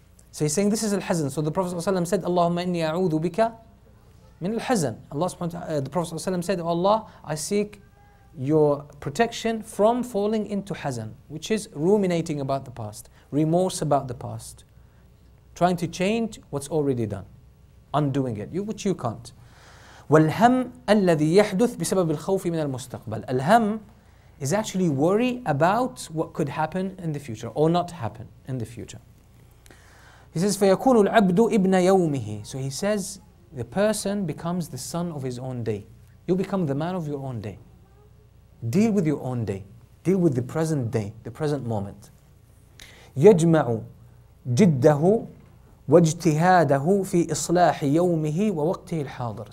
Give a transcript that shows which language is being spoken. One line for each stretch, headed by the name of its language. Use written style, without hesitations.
English: So he's saying this is al-hazan. So the Prophet ﷺ said,
Arabic: Allahumma inni a'udhu bika min al-hazan.
English: The Prophet ﷺ said, oh Allah, I seek your protection from falling into hazan, which is ruminating about the past, remorse about the past, trying to change what's already done, undoing it, which you can't.
Arabic: والهم الذي يحدث بسبب الخوف من المستقبل.
English: الهم is actually worry about what could happen in the future or not happen in the future. He says
Arabic: فيكون العبد ابن يومه.
English: So he says the person becomes the son of his own day. You become the man of your own day. Deal with your own day. Deal with the present day, the present moment.
Arabic: يجمع جده وَاجْتِهَادَهُ فِي إِصْلَاحِ يَوْمِهِ وَوَقْتِهِ الْحَاضِرِ.